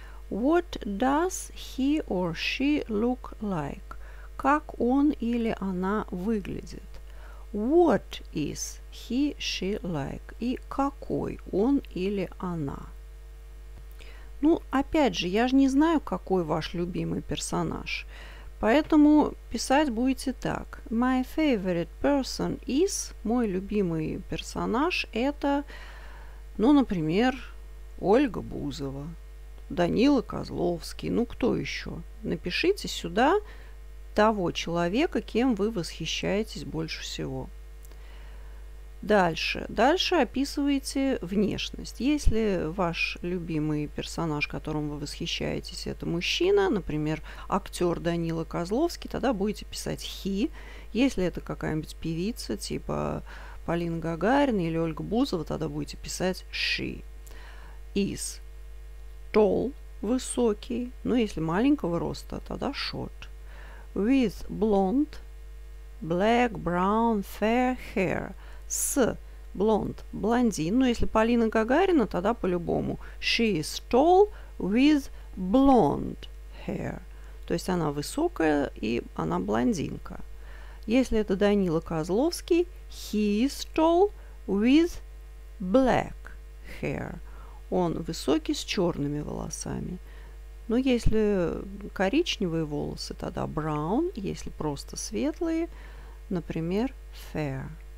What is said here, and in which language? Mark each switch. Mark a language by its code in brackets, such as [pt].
[en] What does he or she look like? [ru] Как он или она выглядит. [en] What is he, she like? [ru] И какой он или она? Ну, опять же, я же не знаю, какой ваш любимый персонаж. Поэтому писать будете так. [en] My favorite person is, [ru] мой любимый персонаж, это, ну, например, Ольга Бузова, Данила Козловский, ну, кто еще? Напишите сюда того человека, кем вы восхищаетесь больше всего. Дальше. Дальше описываете внешность. Если ваш любимый персонаж, которым вы восхищаетесь, это мужчина, например, актер Данила Козловский, тогда будете писать he. Если это какая-нибудь певица, типа Полина Гагарина или Ольга Бузова, тогда будете писать she. [en] Is tall, высокий. [ru] Ну, если маленького роста, тогда short. [en] With blonde, black, brown, fair hair. [ru] С blonde, блондин. Ну, если Полина Гагарина, тогда по-любому. [en] She is tall with blonde hair. [ru] То есть она высокая и она блондинка. Если это Данила Козловский, [en] he is tall with black hair. [ru] Он высокий с черными волосами. Ну, если коричневые волосы, тогда brown, если просто светлые, например, fair.